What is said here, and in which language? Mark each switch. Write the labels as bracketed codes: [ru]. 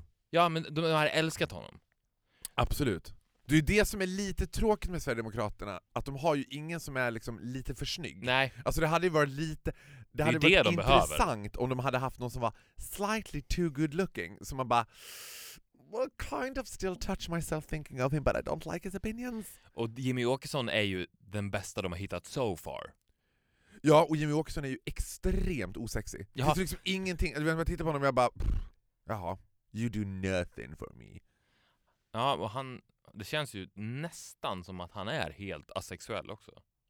[sv] Ja, men de har älskat honom. Absolut. Det är ju det som är lite tråkigt med Sverigedemokraterna. Att de har ju ingen som är liksom lite för snygg. Nej. Alltså det hade ju varit lite... Det hade varit intressant om de hade haft någon som var slightly too good looking. Som man bara... [en] Well, kind of still touch myself thinking of him, but I don't like his opinions. [sv] Och Jimmy Åkesson är ju den bästa de har hittat so far. Ja, och Jimmy Åkesson är ju extremt osexig. Jaha. Det är liksom ingenting... När jag tittar på honom, jag bara... [en] Jaha. You do nothing for me. [sv] Ja, och han... Det känns ju nästan som att han är helt asexuell också.